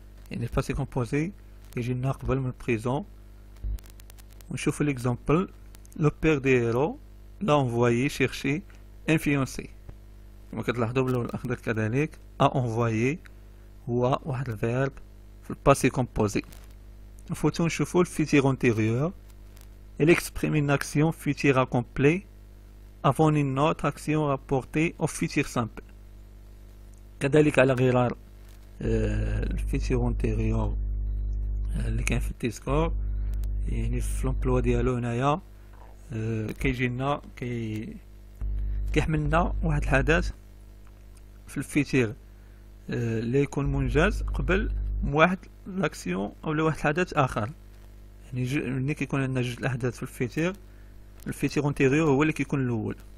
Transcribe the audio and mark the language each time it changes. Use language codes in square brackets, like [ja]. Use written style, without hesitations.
[ar] يعني الباسي كومبوزي كيجي لنا قبل من البريزون. ونشوف ليكزامبل لو بير دي هيرو لا انفوايي شيرشي ان فيونسي. كما كتلاحظوا باللون الاخضر كذلك ا اونفوايي هو واحد الفيرب في الباسي كومبوزي. نفوتو نشوفو الفيتيغ اونتيغيور [fr] Elle exprime une action future accomplie avant une autre action rapportée au futur simple. [ar] كذلك على غرار الفيتشر اونتيريور اللي كان في التيسكور يعني في لومبلوا ديالو هنايا كيجينا كيحملنا واحد الحدث في الفيتشر اللي يكون منجز قبل واحد لاكسيون او لواحد الحدث اخر يعني ملي كيكون عندنا جوج الاحداث في الفيتشر الفيتشر اونتيريور هو اللي كيكون الاول.